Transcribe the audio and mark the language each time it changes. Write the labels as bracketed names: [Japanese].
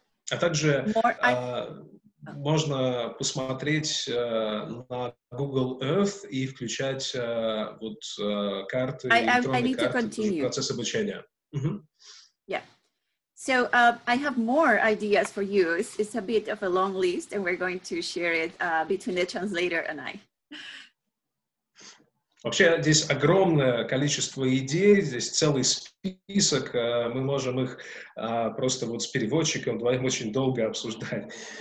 [Russian] А также можно посмотреть на Google Earth и включать вот карты, электронные карты в процесс обучения. [English] Mm-hmm. Yeah. So I have more ideas for you. It's a bit of a long list, and we're going to share it between the translator and I. [Russian] Вообще, здесь огромное количество идей, здесь целый список. Мы можем их просто вот с переводчиком вдвоем очень долго обсуждать.